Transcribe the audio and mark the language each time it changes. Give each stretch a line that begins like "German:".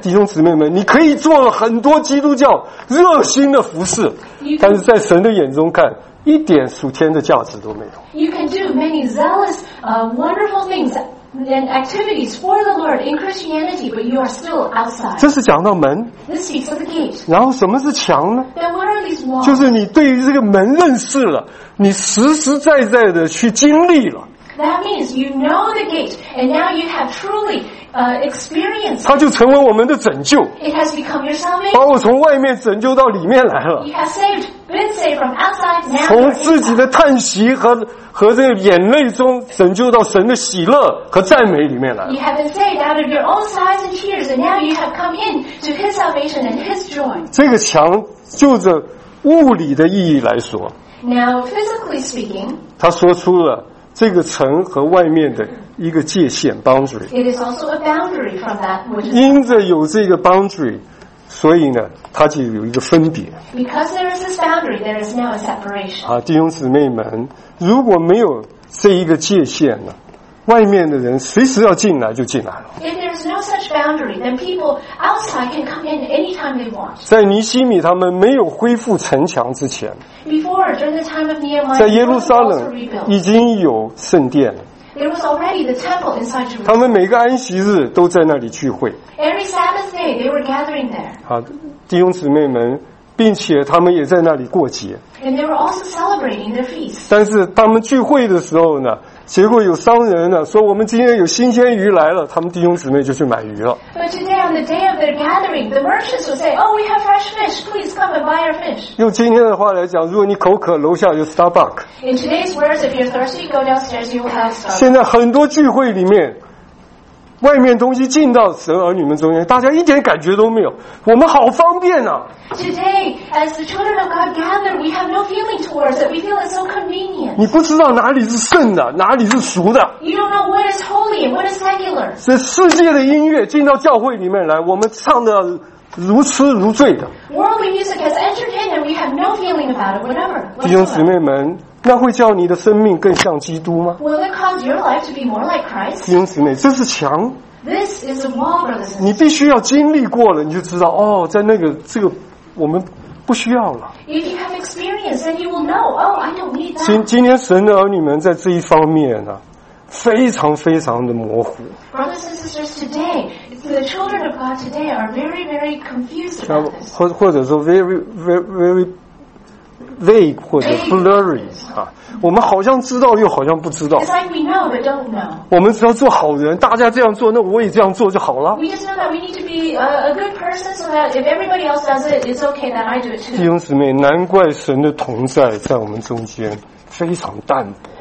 Chinese: 弟兄姊妹们，你可以做很多基督教热心的服事，但是在神的眼中看。一点属天的价值都没有。
English: You can do many zealous, wonderful things and activities for the Lord in Christianity, but you are still outside.
Chinese: 这是讲到门。
English: This speaks of the gate.
Chinese: 然后什么是墙呢
English: ？Then what are these walls?
Chinese: 就是你对于这个门认识了，你实实在在的去经历了。
English: That means you know the gate, and now you have truly. Experience.
Chinese: 它就成为我们的拯救。
English: It has become your salvation.
Chinese: 把我从外面拯救到里面来了。
English: You have been saved from outside.
Chinese: 从自己的叹息和这个眼泪中拯救到神的喜乐和赞美里面来了。
English: You have been saved out of your own sighs and tears, and now you have come in to His salvation and His joy.
Chinese: 这个墙就着物理的意义来说。
English: Now, physically speaking,
Chinese: 它说出了。这个城和外面的一个界限 boundary，
English: It is also a boundary from that which is
Chinese: 因着有这个 boundary， 所以呢，它就有一个分别。
English: Because there is this boundary, there is now a separation.
Chinese: 啊，弟兄姊妹们，如果没有这一个界限呢，外面的人随时要进来就进来了。
English: If there is no such boundary, then people outside can come in anytime they want.
Chinese: 在尼希米他们没有恢复城墙之前。
English: Before, during the time of Nehemiah,
Chinese: 在耶路撒冷已经有圣殿了。
English: There was already the temple inside Jerusalem.
Chinese: 他们每个安息日都在那里聚会。
English: Every Sabbath day, they were gathering there.
Chinese: 好，弟兄姊妹们，并且他们也在那里过节。
English: And they were also celebrating their feast.
Chinese: 但是他们聚会的时候呢，结果有商人呢说我们今天有新鲜鱼来了，他们弟兄姊妹就去买鱼了。
English: But today on the day of their gathering, the merchants would say, "Oh, we have fresh fish. Please come and buy our fish."
Chinese: 用今天的话来讲，如果你口渴，楼下有 Starbucks.
English: In today's words, if you're thirsty, go downstairs, you will have Starbucks.
Chinese: 现在很多聚会里面，外面东西进到神儿女们中间，大家一点感觉都没有，我们好方便啊。
English: Today, as the children of God gather, we have no feeling towards it. We feel it's so convenient.
Chinese: 你不知道哪里是圣的，哪里是俗的。
English: You don't know what is holy and what is secular.
Chinese: 这世界的音乐进到教会里面来，我们唱的如痴如醉的。
English: Worldly music has entered in, and we have no feeling about it, whatever.
Chinese: 弟兄姊妹们，那会叫你的生命更像基督吗？
English: Will it cause your life to be more like Christ?
Chinese: 弟兄姊妹，这是墙。
English: This is a wall, brothers and sisters.
Chinese: 你必须要经历过了，你就知道哦，在那个这个我们不需要了。
English: If you have experience, then you will know. Oh, I don't need that.
Chinese: 今天神的儿女们在这一方面呢，非常非常的模糊。
English: Brothers and sisters, today the children of God today are very, very confused about this.
Chinese: 或者说
English: very vague
Chinese: 或者 blurry 啊，我们好像知道又好像不知道。
English: It's like we know but don't know.
Chinese: 我们只要做好人，大家这样做，那我也这样做就好了。
English: We just know that we need to be a good person so that if everybody else does it, it's okay that I do it too.
Chinese: 弟兄姊妹，难怪神的同在在我们中间非常淡薄。